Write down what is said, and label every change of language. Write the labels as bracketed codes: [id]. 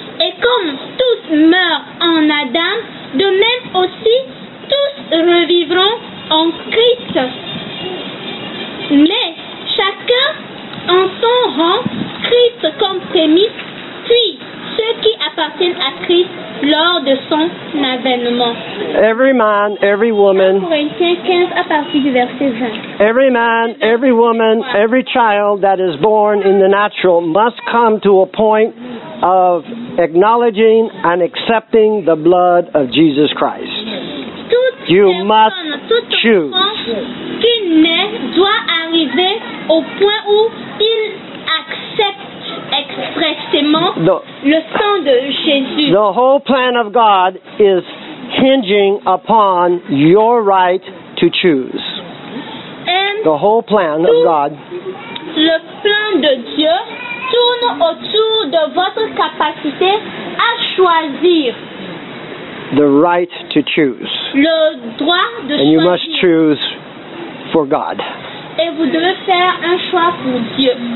[fr] Et comme tous meurent en Adam, de même aussi, tous revivront en Christ. Mais chacun en son rang, Christ comme prémisse, puis ceux qui appartiennent à Christ lors de son avènement. [en] Every man, every woman, [fr] 15 à partir du verset 20. [en] Every man, every woman, every child that is born in the natural must come to a point of acknowledging and accepting the blood of Jesus Christ. You must choose. [fr] Qui naît doit arriver au point où il accepte expressément le sang de Jésus. [en] The whole plan of God is hinging upon your right to choose. The whole plan of God. [fr] Le plan de Dieu tourne autour de votre capacité à choisir. [en] The right to choose. [fr] Le droit de [en] And You must choose for God. [fr] Et vous devez faire un choix pour Dieu.